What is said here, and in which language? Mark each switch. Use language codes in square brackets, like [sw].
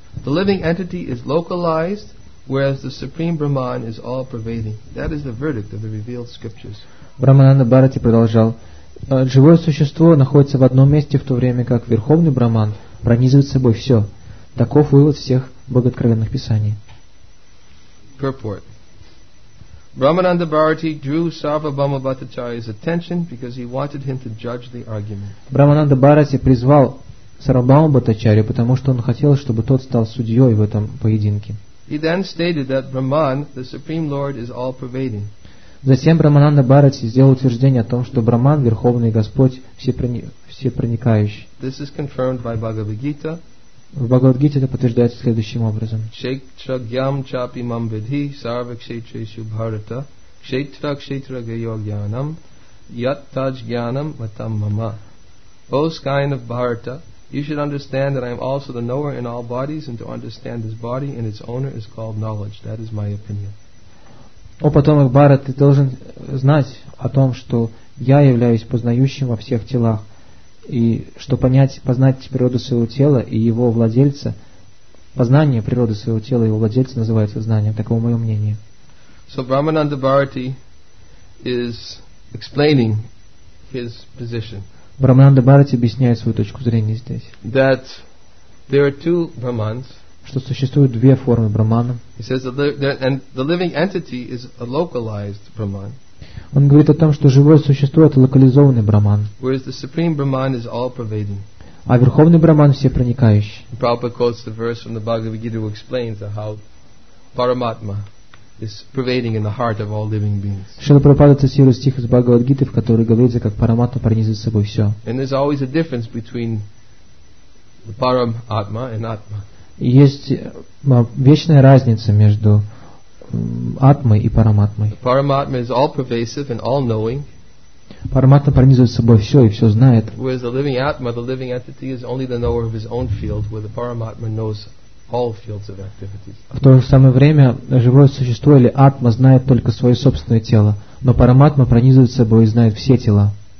[en] The living entity is localized, whereas the Supreme Brahman is all pervading. That is the verdict of the revealed scriptures. [ru] Брахмананда Бхарати продолжал. Живое существо находится в одном месте, в то время как Верховный Брахман пронизывает собой все. Таков вывод всех богооткровенных писаний. [en] Purport. Brahmananda Bharati drew Sarvabhauma Bhattacharya's attention because he wanted him to judge the argument. [ru] Брахмананда Бхарати призвал Сарвабхаума Бхаттачарью, потому что он хотел, чтобы тот стал судьей в этом поединке. [en] He then stated that Brahman, the Supreme Lord, is all-pervading. [ru] Затем Брахмананда Бхарати сделал утверждение о том, что Брахман, Верховный Господь, всепроникающий. [en] This is confirmed by Bhagavad Gita. [ru] В Бхагавад-гите это подтверждается следующим образом. [sa] Кшетрагьям чапи мам видхи сарвакшетрешу Бхарата кшетрагьянам ят тадж гьянам матам мама. [en] O skin of Bharata, you should understand that I am also the knower in all bodies, and to understand this body and its owner is called knowledge. That is my opinion. [ru] О потомок Бхарат, ты должен знать о том, что я являюсь познающим во всех телах. И что познать природу своего тела и его владельца, познание природы своего тела и его владельца называется знанием. Таково мое мнение. [en] So Brahmananda Bharati is explaining his position. [ru] Брахмананда Бхарати объясняет свою точку зрения здесь. [en] That there are two brahmans. [ru] что существуют две формы брахмана. [en] He says that and the living entity is a localized brahman. [ru] Он говорит о том, что живое существо это локализованный брахман. [en] Whereas the supreme brahman is all pervading. [ru] А верховный брахман все проникающий. [en] Prabhupada quotes the verse from the Bhagavad Gita who explains how Paramatma is pervading in the heart of all living beings. [ru] Шрила Прабхупада цитирует стих из Бхагавад Гиты, в котором говорится, как Параматма пронизывает собой все. [en] And there's always a difference between the Paramatma and Atma. [ru] Есть вечная разница между Атмой и Параматмой. [en] The Paramatma is all pervasive and all knowing. [ru] Параматма пронизывает собой все и все знает. [en] Whereas the living Atma, the living entity, is only the knower of his own field, where the Paramatma knows all fields of activities. [ru] В то же самое время живое существо или Атма знает только свое собственное тело, но Параматма пронизывает собой и знает все тела.